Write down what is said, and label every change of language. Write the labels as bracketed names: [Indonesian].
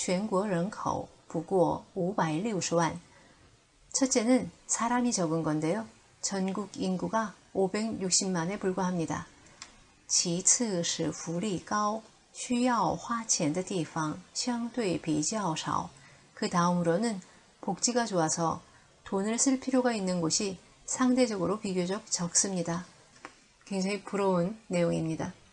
[Chinese] 首先是人少，全国人口不过560万. [Korean] 첫째는 사람이 적은 건데요. 전국 인구가 560만에 불과합니다. [Chinese] 其次是福利高，需要花钱的地方相对比较少。 [Korean] 그 다음으로는 복지가 좋아서 돈을 쓸 필요가 있는 곳이 상대적으로 비교적 적습니다. 굉장히 부러운 내용입니다.